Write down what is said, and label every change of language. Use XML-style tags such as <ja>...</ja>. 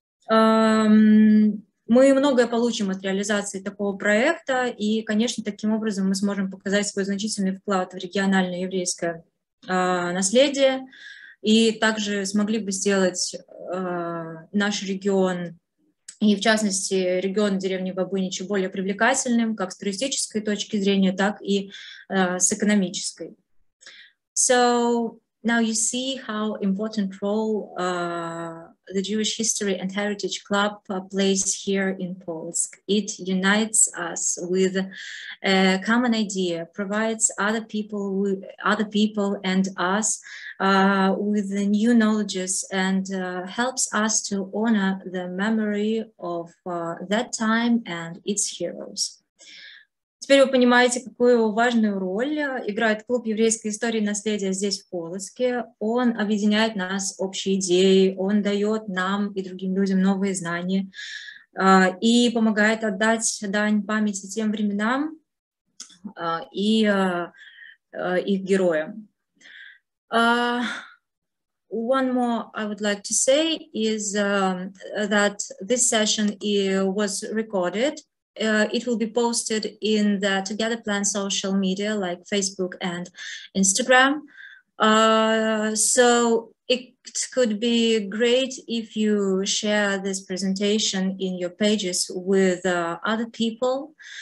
<ru>Мы многое получим от реализации такого проекта, и, конечно, таким образом мы сможем показать свой значительный вклад в региональное еврейское наследие, и также смогли бы сделать наш регион, и в частности регион деревни Бобыничи, более привлекательным как с туристической точки зрения, так и с экономической.</ru> <en>So now you see how important role the Jewish History and Heritage Club plays here in Polsk. It unites us with a common idea, provides other people and us with the new knowledges, and helps us to honor the memory of that time and its heroes.</en> <ru>Теперь вы понимаете, какую важную роль играет клуб еврейской истории и наследия здесь, в Полоцке. Он объединяет нас общей идеей, он дает нам и другим людям новые знания и помогает отдать дань памяти тем временам и их героям.</ru> <en>One more I would like to say is that this session was recorded. It will be posted in the Together Plan social media like Facebook and Instagram. So it could be great if you share this presentation in your pages with other people.</en>